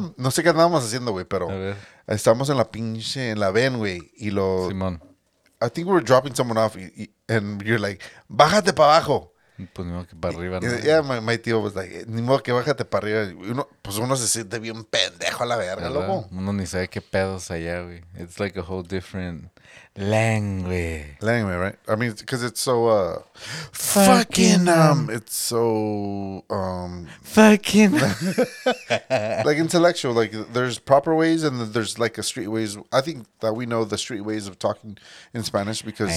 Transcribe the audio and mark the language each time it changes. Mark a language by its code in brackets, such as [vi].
[es] no sé qué andábamos haciendo, güey, pero estábamos en la pinche en la van, güey, y lo Simón. [en] I think we were dropping someone off, and you're like, [es] bájate para abajo. Pues ni modo que para arriba. Ya, [en] yeah, my tío was like, [es] ni modo que bájate para arriba. Uno, pues uno se siente bien pendejo a la verga, loco. Uno ni sabe qué pedos allá, güey. [en] It's like a whole different language. Language, right? I mean, because it's so, fucking, it's so, fucking. Like intellectual, like there's proper ways and there's like a street ways. I think that we know the street ways of talking in Spanish because.